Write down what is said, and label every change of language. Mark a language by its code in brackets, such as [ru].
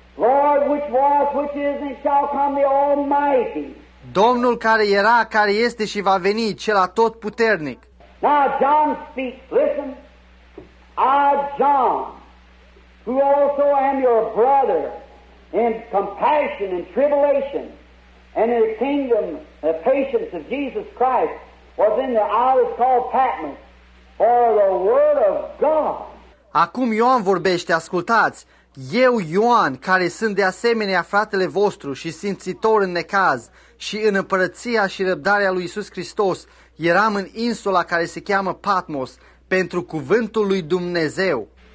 [en] Lord, which was, which is, and shall come the Almighty. [ro] Domnul care era, care este și va veni, cel atotputernic. [en] Now John speaks, listen. I, John, who also am your brother in compassion and tribulation and in the kingdom and patience of Jesus Christ, was in the island called Patmos for the word of God. [ro] Acum Ioan vorbește, ascultați. Eu, Ioan, care sunt de asemenea fratele vostru și simțitor în necaz și în împărăția și răbdarea lui Iisus Hristos, eram în insula care se cheamă Patmos pentru cuvântul lui Dumnezeu.